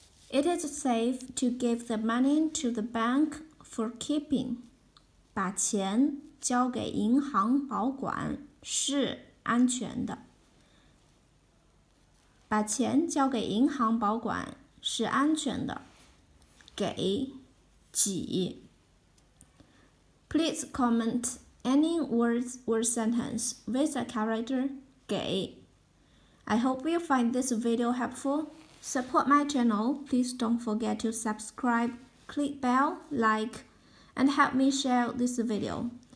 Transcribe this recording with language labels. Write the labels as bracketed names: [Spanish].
[English] It is safe to give the money to the bank for keeping. [Chinese] 把钱交给银行保管是安全的。把钱交给银行保管是安全的。 [English] 给给 Please comment any words or sentence with the character 给 I hope you find this video helpful. Support my channel. Please don't forget to subscribe, click bell, like, and help me share this video.